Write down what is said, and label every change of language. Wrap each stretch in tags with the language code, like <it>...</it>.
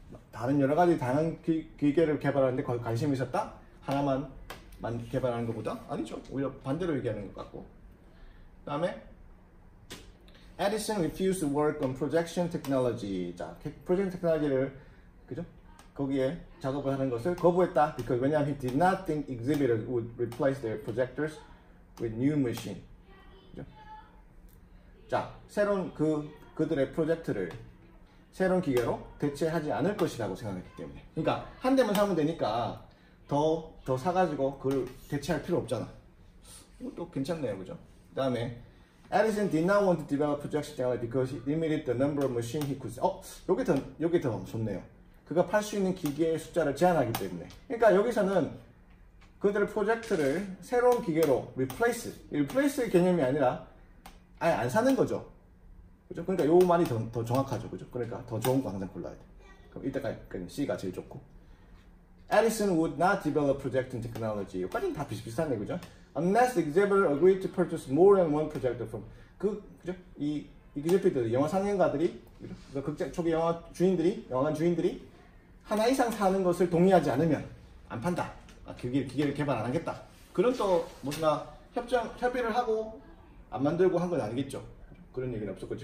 <ko>다른 여러 가지 다양한 기계를 개발하는데 관심이 있었다? 하나만 개발하는 것보다? 아니죠. 오히려 반대로 얘기하는 것 같고. 그 다음에</ko> <en>Edison refused to work on projection technology.</en> <ko>자, 프로젝션 테크놀로지를 그죠? 거기에 작업을 하는 것을 거부했다.</ko> <en>Because</en> <ko>왜냐하면</ko> <en>he did not think exhibitors would replace their projectors with new machine.</en> <ko>그죠? 자, 새로운 그들의 프로젝터를 새로운 기계로 대체하지 않을 것이라고 생각했기 때문에. 그러니까 한 대만 사면 되니까 더 사가지고 그걸 대체할 필요 없잖아. 이것도 괜찮네요, 그죠? 그 다음에</ko> <en>Edison did not want to develop projection technology because he limited the number of machines he could sell.</en> <ko>여기 더 좋네요. 그가 팔 수 있는 기계의 숫자를 제한하기 때문에. 그러니까 여기서는 그들의 프로젝트를 새로운 기계로 replace의 개념이 아니라 아예 안 사는 거죠. 그죠? 그러니까 요 말이 더 정확하죠. 그죠? 그러니까 더 좋은 거 항상 골라야 돼. 그럼 이때까지 C가 제일 좋고.</ko> <en>Edison would not develop projection technology.</en> <ko>여기까지는 다 비슷비슷하네. 그죠?</ko> <en>Unless the exhibitor agreed to purchase more than one projector from</en> <ko>그죠? 이 exhibitor들, 영화 상영가들이 그 극장 초기 영화 주인들이 영화관 주인들이 하나 이상 사는 것을 동의하지 않으면 안 판다. 아, 기계를 개발 안 하겠다. 그런 또 뭔가 협의를 하고 안 만들고 한 건 아니겠죠? 그런 얘기는 없었겠지.</ko>